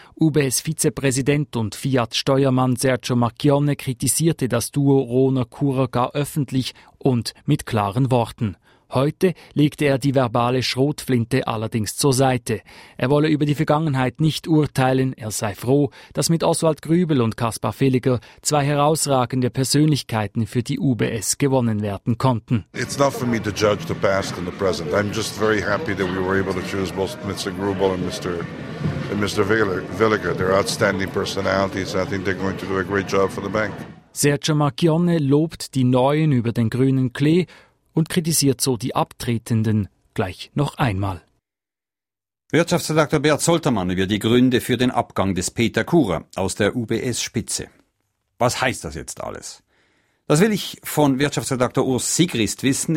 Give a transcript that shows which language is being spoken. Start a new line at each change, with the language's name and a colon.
German: UBS-Vizepräsident und Fiat-Steuermann Sergio Marchionne kritisierte das Duo Rohner-Kurer gar öffentlich und mit klaren Worten. Heute legte er die verbale Schrotflinte allerdings zur Seite. Er wolle über die Vergangenheit nicht urteilen, er sei froh, dass mit Oswald Grübel und Caspar Villiger zwei herausragende Persönlichkeiten für die UBS gewonnen werden konnten.
English: It's not for me to judge the past and the present. I'm just very happy that we were able to choose both Mr. Grübel and Mr. Villiger. They're outstanding personalities. I think they're going to do a great job for the bank.
German: Sergio Marchionne lobt die Neuen über den grünen Klee und kritisiert so die Abtretenden gleich noch einmal. Wirtschaftsredaktor Beat Soltermann über die Gründe für den Abgang des Peter Kurer aus der UBS-Spitze. Was heißt das jetzt alles? Das will ich von Wirtschaftsredaktor Urs Sigrist wissen.